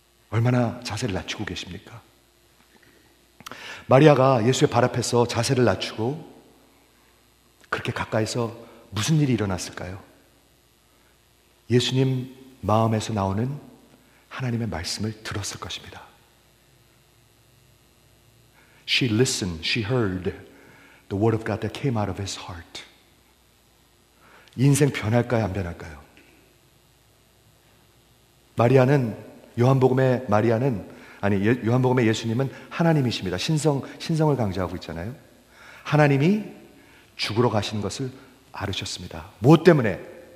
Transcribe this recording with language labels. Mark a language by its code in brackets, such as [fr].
[ko] 얼마나 자세를 낮추고 계십니까? 마리아가 예수의 발 앞에서 자세를 낮추고 그렇게 가까이서 무슨 일이 일어났을까요? 예수님 마음에서 나오는 하나님의 말씀을 들었을 것입니다. [en] She listened, she heard the word of God that came out of his heart. [ko] 인생 변할까요, 안 변할까요? 마리아는 요한복음의 마리아는 아니 요한복음의 예수님은 하나님이십니다. 신성을 강조하고 있잖아요. 하나님이 죽으러 가시는 것을 아르셨습니다. 무엇 때문에?